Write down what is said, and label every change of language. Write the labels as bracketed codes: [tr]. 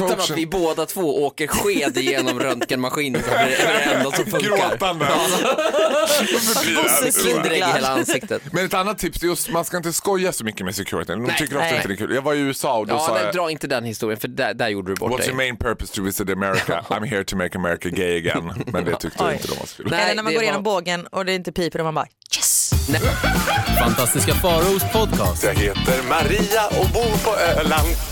[sv] Det slutar med att vi båda två åker sked genom röntgenmaskinen. Så det är det enda som funkar. Gråtande. Svindrig i hela ansiktet. Men ett annat tips är att man ska inte skoja så mycket med security. De tycker ofta inte det är kul. Jag var i USA och då sa jag... Dra inte den historien, för där gjorde du bort [en] What's [sv] dig. [en] What's your main purpose to visit America? I'm here to make America gay again. [sv] Men det tyckte jag inte de var så kul. Eller när man går igenom bågen och det inte piper och man bara... Nej. Fantastiska Faros podcast. Jag heter Maria och bor på Öland.